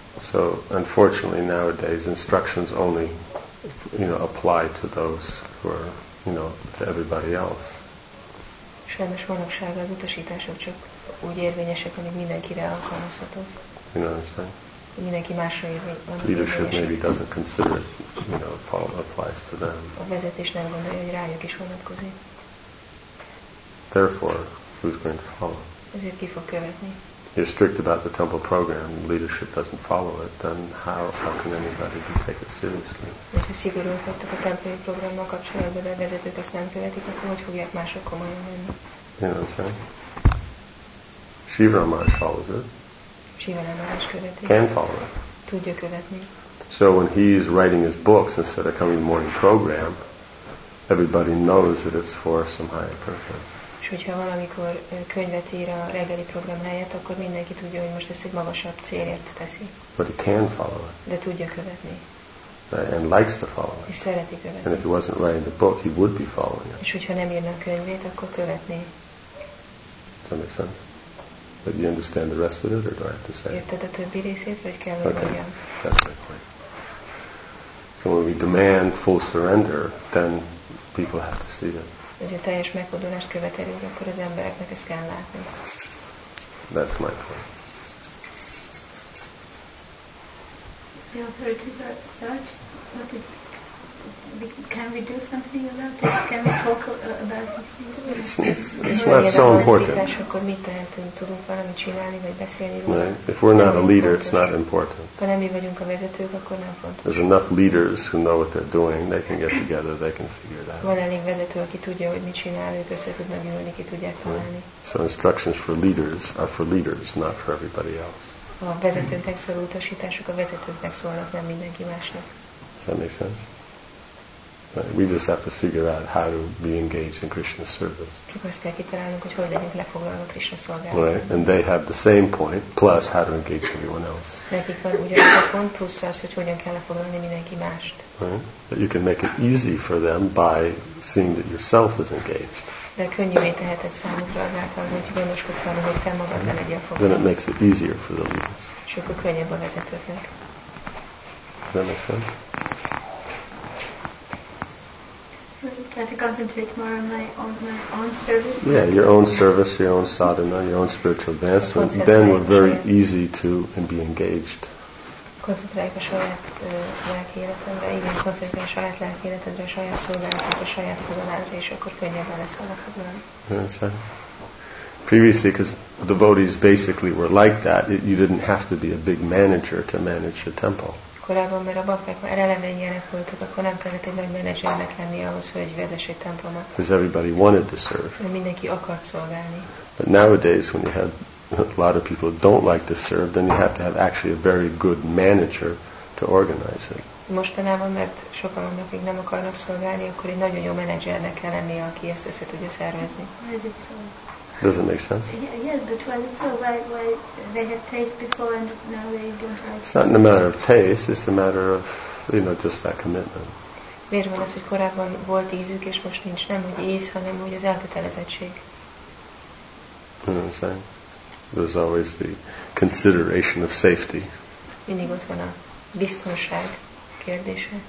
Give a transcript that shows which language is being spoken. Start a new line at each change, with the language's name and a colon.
English: So, unfortunately, nowadays, instructions only, you know, apply to those who are, you know, to everybody else.
Hungarian: Sajnos manapság az utasítások csak úgy érvényesek, amik mindenkire alkalmazhatók.
English: You know what I'm saying?
Hungarian: Mindenki másra érvényesek.
English: Leadership maybe doesn't consider it, you know, applies to them.
Hungarian: A vezetés nem gondolja, hogy rájuk is vonatkozik.
English: Therefore, who's going to follow?
Hungarian: Ezért ki fog követni?
English: you're strict about the temple program, leadership doesn't follow it, then how can anybody take it seriously?
Hungarian: Hogyha szigorúak vagytok a templomi programmal kapcsolatban, de a vezetők azt nem követik, akkor hogy fogják mások komolyan venni?
English: You know what I'm saying? Shiva Maharaj follows it.
Hungarian: Shiva Maharaj követi.
English: Can follow it.
Hungarian: Tudja követni.
English: So when he's writing his books instead of coming to the morning program, everybody knows that it's for some higher purpose.
Hungarian: És hogyha valamikor könyvet ír a reggeli program helyett, akkor mindenki tudja, hogy most ezt egy magasabb célért teszi.
English: But he can follow it.
Hungarian: De tudja követni.
English: And likes to follow it.
Hungarian: És szereti követni.
English: And if he wasn't writing the book, he would be following it.
Hungarian: És hogyha nem írna a könyvét, akkor követni.
English: Does that make sense? But you understand the rest of it, or do I have to say?
Hungarian: Érted a többi részét, vagy kell, hogy mondjam?
English: That's my point. So when we demand full surrender, then people have to see it.
Hungarian: Hogyha teljes megfordulást követelünk, akkor az embereknek ezt kell látni.
English: That's my point. The authorities are such. What is? Can we do something about it? Can we talk about these things? It's not so important.
Hungarian: Akkor mit tehetünk? Tudunk valamit csinálni vagy beszélni?
English: Right. If we're not a leader, it's not important.
Hungarian: Ha nem mi vagyunk a vezetők, akkor nem fontos.
English: There's enough leaders who know what they're doing. They can get together. They can figure it out.
Hungarian: Van elég vezető, aki tudja, hogy mit csinál, ők össze tudnak jönni, ki tudják találni.
English: So instructions for leaders are for leaders, not for everybody else.
Hungarian: A vezetőknek szóló utasítások a vezetőknek szólnak, nem mindenki másnak.
English: Does that make sense? We just have to figure out how to be engaged in Krishna's service.
Hungarian: Csak azt kell kitalálnunk, hogy hogy legyünk lefoglalva Krishna szolgálatában.
English: Right, and they have the same point, plus how to engage everyone else.
Hungarian: Nekik van ugyanaz a pont, plusz az, hogy hogyan kell lefoglalni mindenki mást.
English: Right, but you can make it easy for them by seeing that yourself is engaged.
Hungarian: De könnyűvé teheted számukra azáltal, hogy gondoskodsz arra, hogy te magad ne legyél foglalva.
English: Then it makes it easier for the leaders.
Hungarian: És akkor könnyebb a vezetőknek.
English: Does that make sense? Can I concentrate more on my own service? Yeah, your own service, your own sadhana, your own spiritual advancement. Then we're very easy to and be engaged.
Hungarian: Koncentrálj a saját lelki életedre, igen, koncentrálj a saját lelki életedre, a saját szolgálatodra, a saját szolgálatra, és akkor könnyebben lesz valaki.
English: That's right. Previously, because devotees basically were like that, you didn't have to be a big manager to manage your temple.
Hungarian: Korábban, mert a bakták már eleve ilyenek voltak, akkor nem kellett egy nagy menedzsernek lenni ahhoz, hogy vezess egy templomat.
English: Because everybody wanted to serve.
Hungarian: Mert mindenki akart szolgálni.
English: But nowadays, when you have a lot of people who don't like to serve, then you have to have actually a very good manager to organize it.
Hungarian: Mostanában, mert sokan vannak, akik nem akarnak szolgálni, akkor egy nagyon jó menedzsernek kell lennie, aki ezt össze tudja szervezni.
English: Does it make sense? Yes, but why is it so? Why they had taste before and now they don't like it? It's not a matter of taste, it's a matter of, you know, just that commitment.
Hungarian: Miért van az, hogy korábban volt ízük, és most nincs? Nem úgy íz, hanem úgy az elkötelezettség.
English: You know what I'm saying? There's always the consideration of safety.
Hungarian: Mindig ott van a biztonság kérdése.